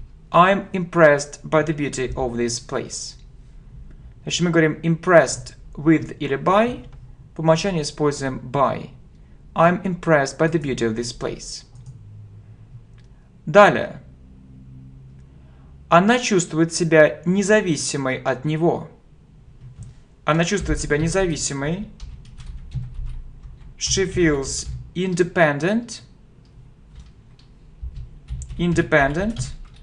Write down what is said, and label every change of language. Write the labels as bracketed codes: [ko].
[en] I'm impressed by the beauty of this place. [ru] Значит, мы говорим [en] impressed with [ru] или by. По умолчанию используем by. [en] I'm impressed by the beauty of this place. [ru] Далее. Она чувствует себя независимой от него. Она чувствует себя независимой. [en] She feels independent. Independent.